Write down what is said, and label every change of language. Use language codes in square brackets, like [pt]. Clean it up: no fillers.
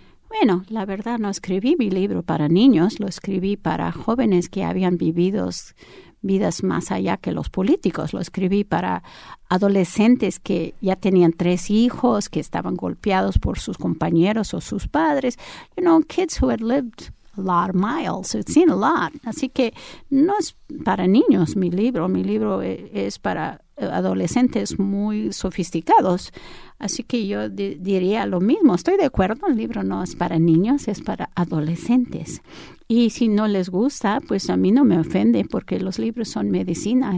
[es] Bueno, la verdad, no escribí mi libro para niños, lo escribí para jóvenes que habían vivido vidas más allá que los políticos. Lo escribí para adolescentes que ya tenían tres hijos, que estaban golpeados por sus compañeros o sus padres. [en] You know, kids who had lived a lot of miles, had seen a lot. [es] Así que no es para niños mi libro. Mi libro es para adolescentes muy sofisticados. Así que yo diría lo mismo. Estoy de acuerdo, el libro no es para niños, es para adolescentes. Y si no les gusta, pues a mí no me ofende, porque los libros son medicina.